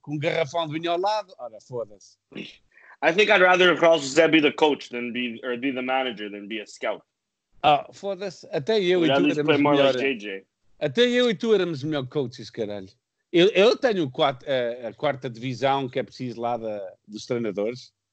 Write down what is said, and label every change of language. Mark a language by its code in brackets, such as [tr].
[pt] Com garrafão de vinho ao lado, olha, foda-se. [en] I think I'd rather Carlos José be the coach than be the manager than be a scout. [pt] Ah, foda-se. Até eu e tu éramos melhor. [en] At least play more like JJ. [pt] Até eu e tu éramos melhor coaches, caralho. Eu tenho a quarta divisão que é preciso lá dos treinadores.